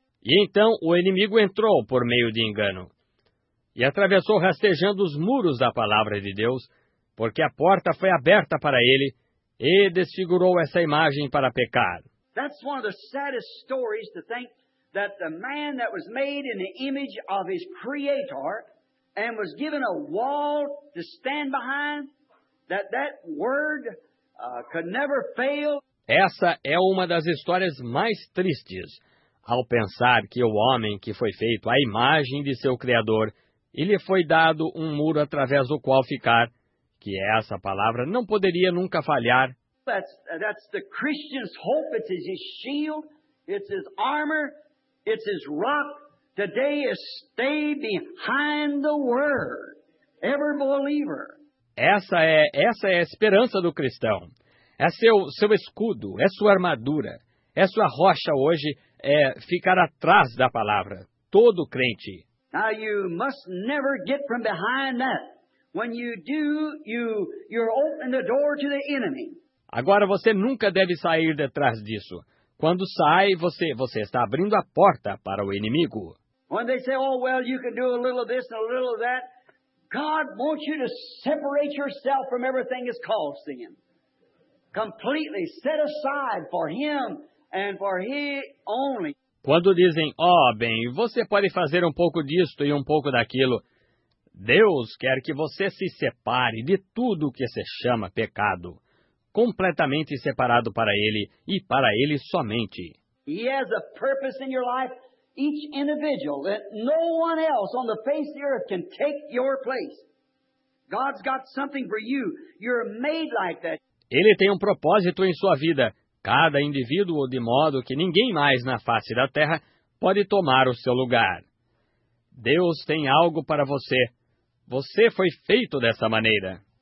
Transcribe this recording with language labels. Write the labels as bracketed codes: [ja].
[pt] E então o inimigo entrou por meio de engano e atravessou rastejando os muros da palavra de Deus, porque a porta foi aberta para ele e desfigurou essa imagem para pecar. [en] That's one of the saddest stories to think that the man that was made in the image of his creator and was given a wall to stand behind, that word could never fail. [pt] Essa é uma das histórias mais tristes, ao pensar que o homem que foi feito à imagem de seu Criador e lhe foi dado um muro através do qual ficar, que essa palavra não poderia nunca falhar. [en] That's the Christian's hope. It's his shield. It's his armor. It's his rock. Today is stay behind the word. Every believer. [pt] Essa é a esperança do cristão. É seu escudo, é sua armadura, é sua rocha hoje, é ficar atrás da palavra, todo crente. [en] Now you must never get from behind that. When you do, you're opening the door to the enemy. [pt] Agora você nunca deve sair detrás disso. Quando sai, você está abrindo a porta para o inimigo. [en] When they say, oh, well, you can do a little of this and a little of that, God wants you to separate yourself from everything that's called sin. Completely set aside for him and for he only. [pt] Quando dizem, oh, bem, você pode fazer um pouco disto e um pouco daquilo, Deus quer que você se separe de tudo o que se chama pecado, completamente separado para ele e para ele somente. [en] He has a purpose in your life, each individual, that no one else on the face of the earth can take your place. God's got something for you. You're made like that. [pt] Ele tem um propósito em sua vida, cada indivíduo, de modo que ninguém mais na face da terra pode tomar o seu lugar. Deus tem algo para você. Você foi feito dessa maneira.